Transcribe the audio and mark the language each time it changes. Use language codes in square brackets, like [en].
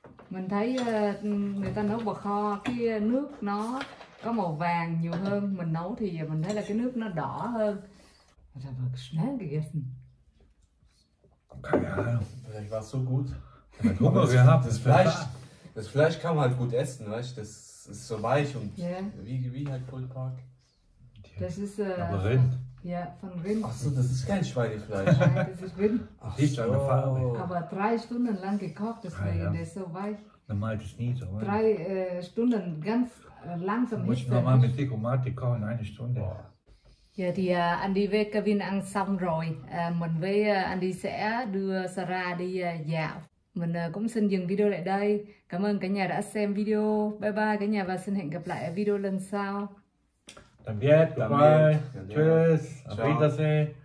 [vi] Mình thấy người ta nấu bò kho, cái nước nó có màu vàng nhiều hơn. Mình nấu thì mình thấy là cái nước nó đỏ hơn. [de] Ich habe schnell gegessen. Keine Ahnung, vielleicht war es so gut. Ich habe Hunger gehabt. Das Fleisch kann man halt gut essen, weißt du? Das ist so weich und wie halt Pulled Pork. Das ist aber Rind. Ja, von Rind. Achso, das ist kein Schweinefleisch. Nein, das ist Rind. Ach so. Aber 3 Stunden lang gekocht, deswegen, der ist so weich. Dann malt es nie so, oder? 3 Stunden ganz langsam. Muss ich nochmal mit Dekomatik kochen, 1 Stunde. Boah. [vi] Giờ thì anh đi với Kevin ăn xong rồi, mình với anh đi sẽ đưa Sarah đi dạo. Mình cũng xin dừng video lại đây. Cảm ơn cả nhà đã xem video. Bye bye cả nhà và xin hẹn gặp lại ở video lần sau. Tạm biệt, bye bye. [de] Tschüss, auf Wiedersehen.